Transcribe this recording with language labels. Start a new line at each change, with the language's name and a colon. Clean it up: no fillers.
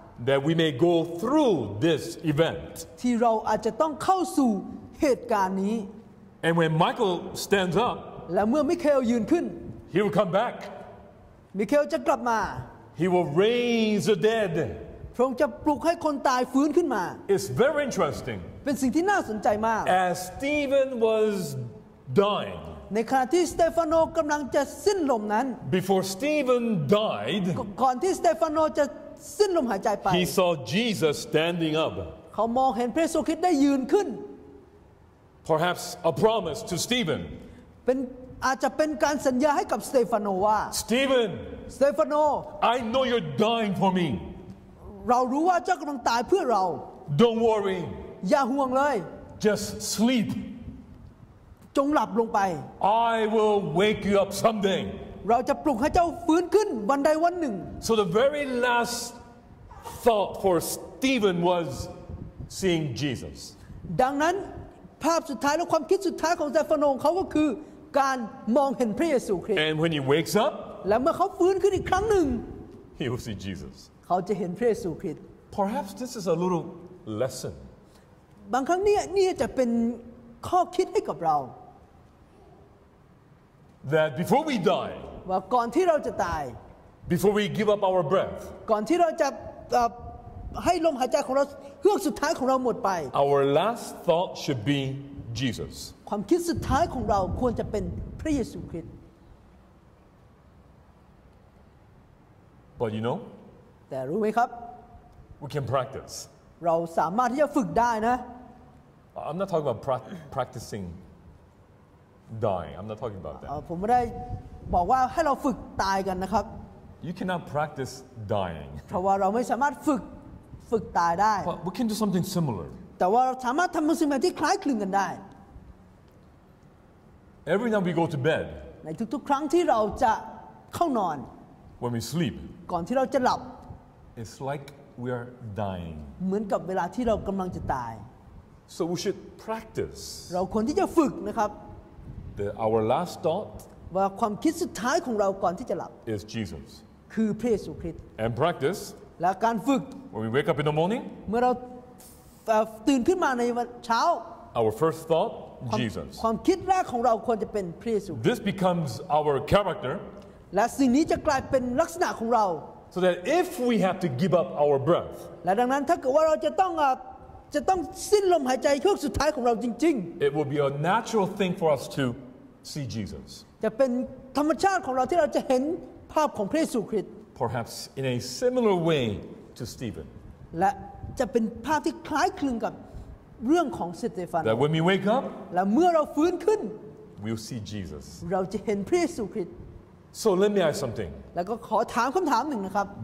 English: That we may go through this event.
Thai: ที่เราอาจจะต้องเข้าสู่เหตุการณ์นี้
English: And when Michael stands up.
Thai: และเมื่อมิเคลยืนขึ้น
English: He will come back.
Thai: มิเคลจะกลับมา
English: He will raise the dead.
Thai: พระองค์จะปลุกให้คนตายฟื้นขึ้นมา
English: It's very interesting.
Thai: เป็นสิ่งที่น่าสนใจมาก
English: As Stephen was dying.
Thai: ในขณะที่สเตฟานโอกำลังจะสิ้นลมนั้น
English: Before Stephen died.
Thai: ก่อนที่สเตฟานโอจะสิ้นลมหายใจไป
English: He saw Jesus standing up.
Thai: เขามองเห็นพระเยซูคริสต์ได้ยืนขึ้น
English: Perhaps a promise to Stephen.
Thai: เป็นอาจจะเป็นการสัญญาให้กับสเตฟานโอว่า
English: Stephen.
Thai: Stefano
English: I know you're dying for me
Thai: รารู้ว่าเจ้ากำลังตายเพื่อเรา
English: Don't worry
Thai: อย่าห่วงเลย
English: Just sleep
Thai: จงหลับลงไป
English: I will wake you up someday
Thai: เราจะปลุกให้เจ้าฟื้นขึ้นวันใดวันหนึ่ง
English: So the very last thought for Stephen was seeing Jesus
Thai: ดังนั้นภาพสุดท้ายและความคิดสุดท้ายของสเตฟานของเขาก็คือการมองเห็นพระเยซูคริสต์
English: And when he wakes up
Thai: และเมื่อเขาฟื้นขึ้นอีกครั้งหนึ่ง
English: He will see Jesus
Thai: เขาจะเห็นพระเยซูคริสต์
English: Perhaps this is a little lesson
Thai: บางครั้งนี่จะเป็นข้อคิดให้กับเรา
English: That before we die
Thai: ว่าก่อนที่เราจะตาย
English: Before we give up our breath
Thai: ก่อนที่เราจะให้ลมหายใจของเราเฮือกสุดท้ายของเราหมดไป
English: Our last thought should be Jesus
Thai: ความคิดสุดท้ายของเราควรจะเป็นพระเยซูคริสต์
English: But you know
Thai: แต่รู้ไหมครับ
English: We can practice
Thai: เราสามารถที่จะฝึกได้นะ
English: I'm not talking about practicing dying I'm not talking about that
Thai: ผมไม่ได้บอกว่าให้เราฝึกตายกันนะครับ
English: You cannot practice dying
Thai: เพราะว่าเราไม่สามารถฝึกตายได้
English: But we can do something similar
Thai: แต่ว่าเราสามารถทำบางสิ่งบางที่คล้ายคลึงกันได้
English: Every night we go to bed
Thai: ในทุกๆครั้งที่เราจะเข้านอน
English: When we sleep
Thai: ก่อนที่เราจะหลับ
English: It's like we are dying
Thai: เหมือนกับเวลาที่เรากำลังจะตาย
English: So we should practice
Thai: เราควรที่จะฝึกนะครับ
English: Our last thought
Thai: ว่าความคิดสุดท้ายของเราก่อนที่จะหลับ
English: is Jesus
Thai: คือพระเยซูคริสต์
English: And practice
Thai: และการฝึก
English: When we wake up in the morning
Thai: เมื่อเราตื่นขึ้นมาในเช้า
English: Our first thought Jesus
Thai: ความคิดแรกของเราควรจะเป็นพระเยซู
English: This becomes our character
Thai: และสิ่งนี้จะกลายเป็นลักษณะของเรา
English: So that if we have to give up our breath
Thai: และดังนั้นถ้าเกิดว่าเราจะต้องสิ้นลมหายใจช่วงสุดท้ายของเราจริง
English: ๆ It will be a natural thing for us to see Jesus
Thai: จะเป็นธรรมชาติของเราที่เราจะเห็นภาพของพระเยซูคริสต์
English: Perhaps in a similar way to Stephen.
Thai: และจะเป็นภาพที่คล้ายคลึงกับเรื่องของสเตฟาน
English: That when we wake up,
Thai: และเมื่อเราฟื้นขึ้น
English: we'll see Jesus.
Thai: เราจะเห็นพระเยซูคริสต์
English: So let me ask something.
Thai: แล้วก็ขอถามคำถามหนึ่งนะครับ